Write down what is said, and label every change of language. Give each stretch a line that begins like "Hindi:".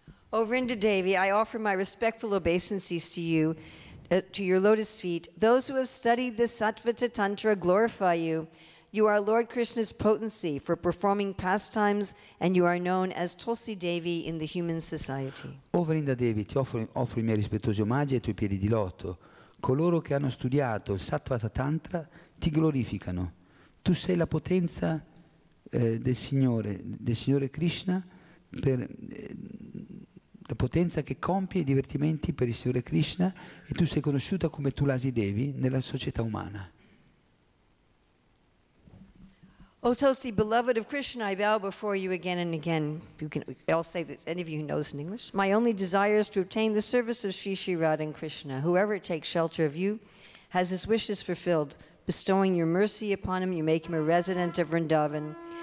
English: O Vrinda Devi, I offer my respectful obeisances to you, to your lotus feet. Those who have studied the Sattvata Tantra glorify you. You are Lord Krishna's potency for performing pastimes, and you are known as Tulsi Devi in the human society.
Italian: O Vrinda Devi, ti offro i miei rispettosi omaggi ai tuoi piedi di loto. Coloro che hanno studiato il Sattvata Tantra ti glorificano. Tu sei la potenza del Signore Krishna per la potenza che compie i divertimenti per il Signore Krishna e tu sei conosciuta come Tulasi Devi nella società umana.
English: O Tulsi, beloved of Krishna, I bow before you again and again. You can all say this, any of you who knows in English. My only desire is to obtain the service of Sri Sri Radha and Krishna. Whoever takes shelter of you has his wishes fulfilled. Bestowing your mercy upon him, you make him a resident of Vrindavan.